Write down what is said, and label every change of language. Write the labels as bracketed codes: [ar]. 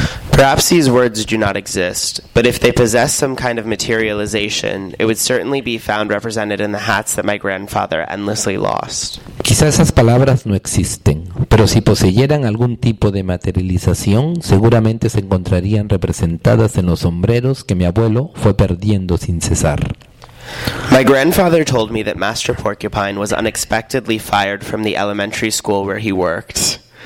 [en] Perhaps these words do not exist, but if they possess some kind of materialization, it would certainly be found represented in the hats that my grandfather endlessly lost. [es] Quizás esas palabras no existen, pero si poseyeran algún tipo de materialización, seguramente se encontrarían representadas en los sombreros que mi abuelo fue perdiendo sin cesar. [en] My grandfather told me that Master Porcupine was unexpectedly fired from the elementary school where he worked.